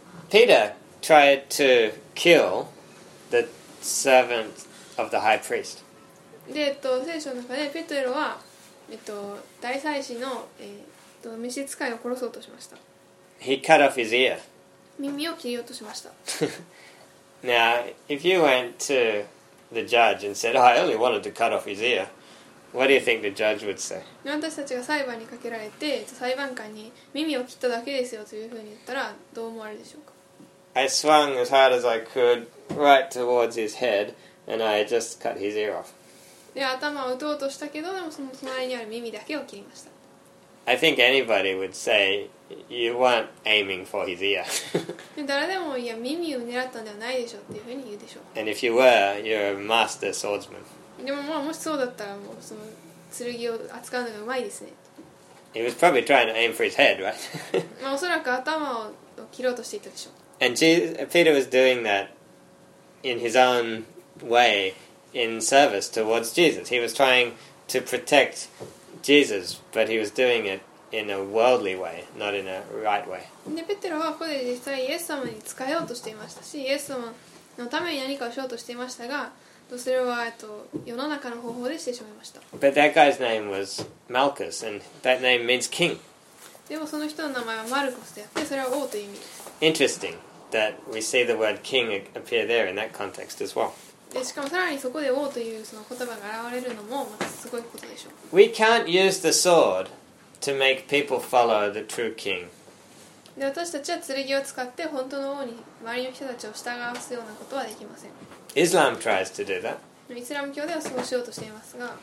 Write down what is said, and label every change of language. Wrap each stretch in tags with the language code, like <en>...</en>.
<en>Peter tried to kill the servant of the high priest.</en> <ja>で、聖書の中でペテロは、大祭司の、召使いを殺そうとしました。</ja> <en>He cut off his ear.</en> <ja>耳を切り落としました。</ja> <en>Now, if you went to the judge and said, oh, I only wanted to cut off his ear. What do you think the judge would say?</en> <ja>私たちが裁判にかけられて、裁判官に耳を切っただけですよというふうに言ったらどう思われるでしょうか。</ja> <en>I swung as hard as I could right towards his head and I just cut his ear off.</en> <ja>で、頭を打とうとしたけど、でもその隣にある耳だけを切りました。</ja> <en>I think anybody would say you weren't aiming for his ear.</en> <ja>誰でも、いや、耳を狙ったんではないでしょうっていうふうに言うでしょう。</ja> <en>And if you were, you're a master swordsman.</en> <ja>でも、もしそうだったら、もうその剣を扱うのがうまいですね。</ja> <en>He was probably trying to aim for his head, right?</en> <ja>まあおそらく頭を切ろうとしていたでしょう。</ja> <en>And Peter was doing that in his own way in service towards Jesus. He was trying to protect Jesus, but he was doing it in a worldly way, not in a right way.</en> <ja>で、ペテロはここで実際イエス様に仕えようとしていましたし、イエス様のために何かをしようとしていましたが、それは世の中の方法でしてしまいました。</ja> <en>But that guy's name was Malchus, and that name means king.</en> <ja>でもその人の名前はマルコスであって、それは王という意味。</ja> <en>Interesting that we see the word king appear there in that context as well.</en> <ja>でしかもさらにそこで王というその言葉が現れるのもまたすごいことでしょう。</ja> <en>We can't use the sword to make people follow the true king.</en> <ja>で私たちは剣を使って本当の王に周りの人たちを従わすようなことはできません。</ja> <en>Islam tries to do that.</en> <ja>イスラム教ではそうしようとしていますが、</ja>